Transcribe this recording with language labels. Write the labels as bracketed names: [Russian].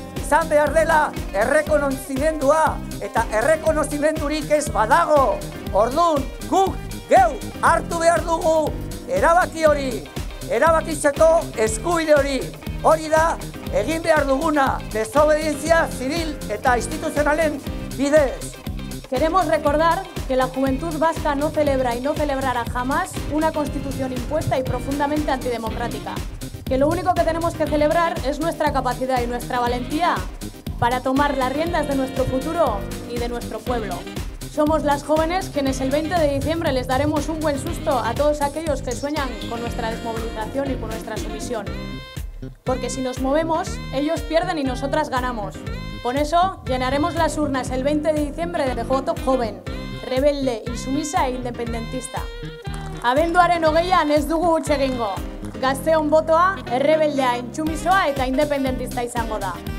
[Basque] Izan behar dela errekonozimendua eta errekonozimendurik ez badago. Orduan guk geu hartu behar dugu erabaki hori, erabakitzeko eskubide hori. Hori da egin behar duguna desobedientzia zibil eta instituzionalen bidez. [Spanish] Queremos recordar que la juventud vasca no celebra y no celebrará jamás una constitución impuesta y profundamente antidemocrática. Que lo único que tenemos que celebrar es nuestra capacidad y nuestra valentía para tomar las riendas de nuestro futuro y de nuestro pueblo. Somos las jóvenes quienes el 20 de diciembre les daremos un buen susto a todos aquellos que sueñan con nuestra desmovilización y con nuestra sumisión. Porque si nos movemos, ellos pierden y nosotras ganamos. Con eso, llenaremos las urnas el 20 de diciembre de voto joven, rebelde, insumisa e independentista. [Basque] Abenduaren hogeian ez dugu huts egingo. Gazteon botoa, errebeldea, intsumisoa eta independentista izango da.